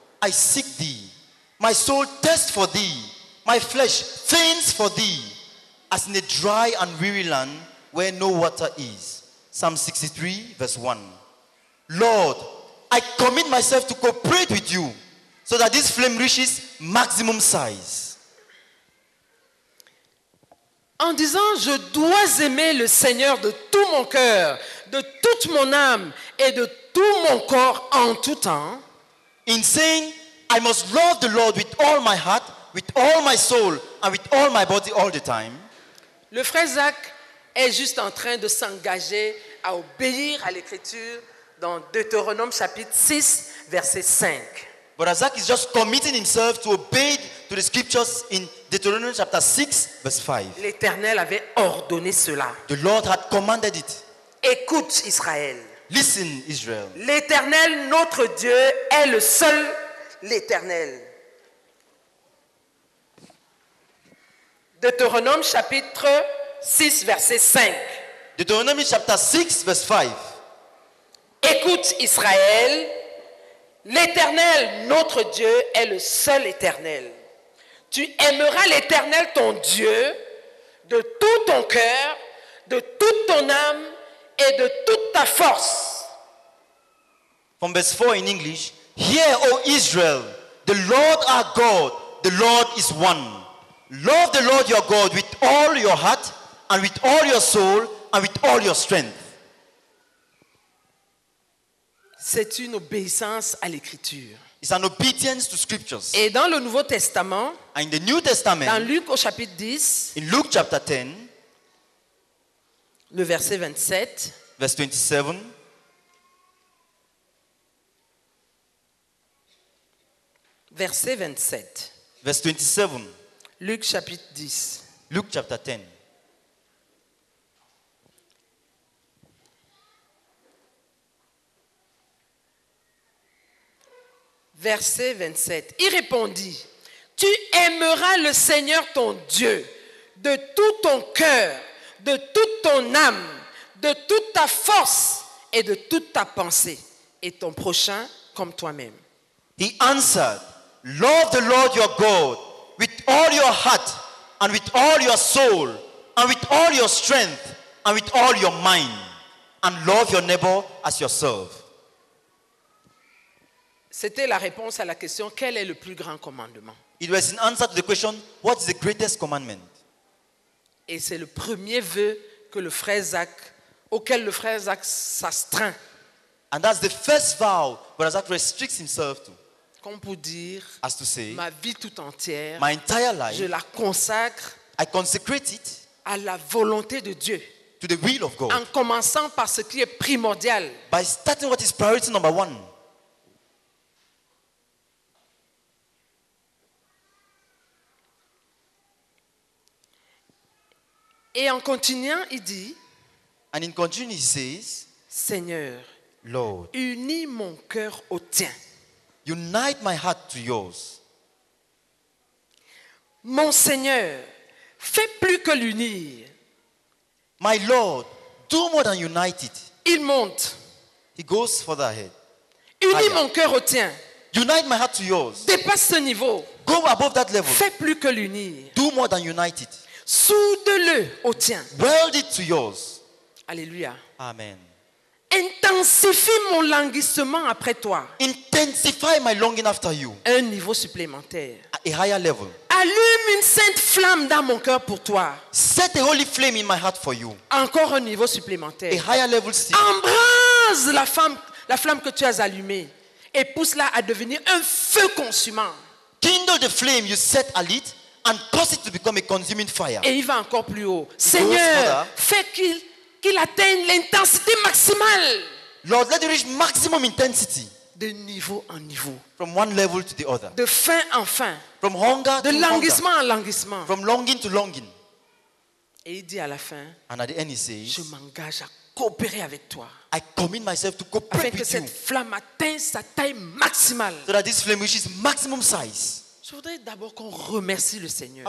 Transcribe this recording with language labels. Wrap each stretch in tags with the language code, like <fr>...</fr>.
<en>I seek thee. My soul thirsts for thee. My flesh faints for thee. as in a dry and weary land where no water is. Psalm 63, verse 1. Lord, I commit myself to cooperate with you so that this flame reaches maximum size.</en> <fr>En disant, je dois aimer le Seigneur de tout mon cœur, de toute mon âme et de tout mon corps en tout temps.</fr> <en>In saying, I must love the Lord with all my heart, with all my soul and with all my body all the time.</en> <fr>Le frère Zach est juste en train de s'engager à obéir à l'Écriture dans Deutéronome chapitre 6, verset 5.</fr> <en>But Zach is just committing himself to obey to the scriptures in Deuteronomy chapter 6, verse 5.</en> <fr>L'Éternel avait ordonné cela.</fr> <en>The Lord had commanded it.</en> <fr>Écoute, Israël.</fr> <en>Listen, Israel.</en> <fr>L'Éternel, notre Dieu, est le seul l'Éternel. Deutéronome chapitre 6, verset 5.</fr> <en>Deuteronomy chapter 6, verse 5.</en> <fr>Écoute, Israël. L'Éternel, notre Dieu, est le seul Éternel. Tu aimeras l'Éternel, ton Dieu, de tout ton cœur, de toute ton âme et de toute ta force.</fr> <en>From verse 4 in English, Hear, O Israel, the Lord our God, the Lord is one. Love the Lord your God with all your heart and with all your soul and with all your strength.</en> <fr>C'est une obéissance à l'Écriture.</fr> <en>It's an obedience to scriptures.</en> <fr>Et dans le Nouveau Testament,</fr> <en>and in the New Testament,</en> <fr>dans Luc au chapitre 10,</fr> <en>in Luke chapter 10,</en> <fr>le verset 27,</fr> <en>verse 27,</en> <fr>verset 27,</fr> <en>verse 27,</en> <fr>Luc chapitre 10,</fr> <en>Luke chapter 10,</en> <fr>Verset 27. Il répondit, « Tu aimeras le Seigneur ton Dieu de tout ton cœur, de toute ton âme, de toute ta force et de toute ta pensée, et ton prochain comme toi-même. »</fr> <en>He answered, « Love the Lord your God with all your heart and with all your soul and with all your strength and with all your mind and love your neighbor as yourself. »</en> <fr>C'était la réponse à la question « Quel est le plus grand commandement ?»</fr> <en>It was an answer to the question « What is the greatest commandment ?»</en> <fr>Et c'est le premier vœu que le frère Zach, auquel le frère Zach s'astreint.</fr> <en>And that's the first vow that Zach restricts himself to.</en> <fr>Comme pour dire,</fr> <en>as to say,</en> <fr>ma vie toute entière,</fr> <en>my entire life,</en> <fr>je la consacre,</fr> <en>I consecrate it,</en> <fr>à la volonté de Dieu.</fr> <en>To the will of God.</en> <fr>En commençant par ce qui est primordial.</fr> <en>By starting what is priority number one.</en> <fr>Et en continuant, il dit,</fr> <en>and in continuing, he says,</en> <fr>Seigneur,</fr> <en>Lord,</en> <fr>unis mon cœur au tien.</fr> <en>Unite my heart to yours.</en> <fr>Mon Seigneur, fais plus que l'unir.</fr> <en>My Lord, do more than unite it.</en> <fr>Il monte.</fr> <en>He goes further ahead.</en> <fr>Unis mon cœur au tien.</fr> <en>Unite my heart to yours.</en> <fr>Dépasse ce niveau.</fr> <en>Go above that level.</en> <fr>Fais plus que l'unir.</fr> <en>Do more than unite it.</en> <fr>Soude-le au tien.</fr> <en>Weld it to yours.</en> <fr>Alléluia.</fr> <en>Amen.</en> <fr>Intensifie mon languissement après toi.</fr> <en>Intensify my longing after you.</en> <fr>Un niveau supplémentaire.</fr> <en>A higher level.</en> <fr>Allume une sainte flamme dans mon cœur pour toi.</fr> <en>Set a holy flame in my heart for you.</en> <fr>Encore un niveau supplémentaire.</fr> <en>A higher level still.</en> <fr>Embrase la flamme que tu as allumée et pousse-la à devenir un feu consumant.</fr> <en>Kindle the flame you set alight. And cause it to become a consuming fire.</en> <fr>Et il va encore plus haut. Seigneur, fais qu'il atteigne l'intensité maximale.</fr> <en>Lord, let it reach maximum intensity.</en> <fr>De niveau en niveau.</fr> <en>From one level to the other.</en> <fr>De faim en faim.</fr> <en>From hunger</en> <fr>de languissement en languissement.</fr> <en>From longing to longing.</en> <fr>Et il dit à la fin.</fr> <en>And at the end he says,</en> <fr>je m'engage à coopérer avec toi.</fr> <en>I commit myself to cooperate with you.</en> <fr>Afin que cette flamme atteigne sa taille maximale.</fr> <en>So that this flame reaches maximum size.</en> <fr>Je voudrais d'abord qu'on remercie le Seigneur.</fr>